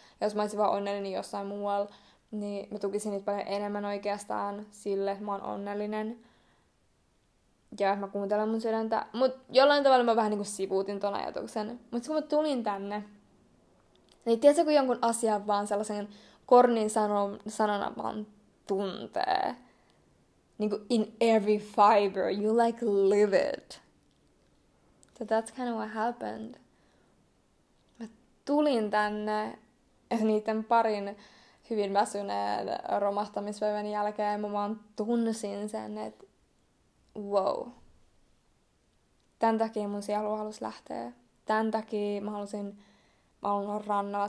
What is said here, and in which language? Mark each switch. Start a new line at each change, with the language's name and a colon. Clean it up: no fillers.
Finnish: Ja jos mä olisin vaan onnellinen jossain muualla, niin mä tukisin niitä paljon enemmän oikeastaan sille, että mä oon onnellinen. Ja mä kuuntelen mun sydäntä. Mut jollain tavalla mä vähän niinku sivuutin ton ajatuksen. Mut kun mä tulin tänne, niin tiedätkö, kun jonkun asian vaan sellaisen kornin sanana vaan tuntee. Niinku
English: in every fiber, you like live it. So that's kind of what happened.
Finnish: Mä tulin tänne niiden parin hyvin väsyneen romahtamispäivän jälkeen. Mä vaan tunsin sen, että wow. Tän takia mun sielu halusi lähteä. Tän takia mä haluan olla rannalla.